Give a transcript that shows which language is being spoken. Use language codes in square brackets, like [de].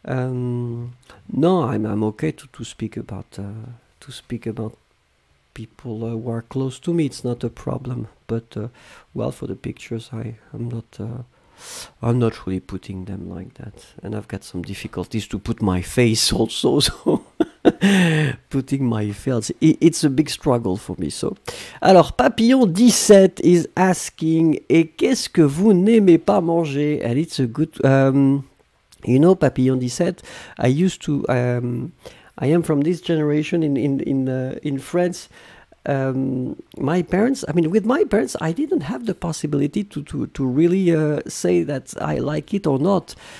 [en] No, I'm okay to speak about people who are close to me. It's not a problem. But well, for the pictures, I'm not really putting them like that. And I've got some difficulties to put my face also. So. Putting my fields. It's a big struggle for me. So, [fr] alors, Papillon 17 [en] is asking, [fr] et qu'est-ce que vous n'aimez pas manger? [en] And it's a good, you know, Papillon 17, I used to, I am from this generation in France. My parents, I mean, with my parents, I didn't have the possibility to really say that I like it or not.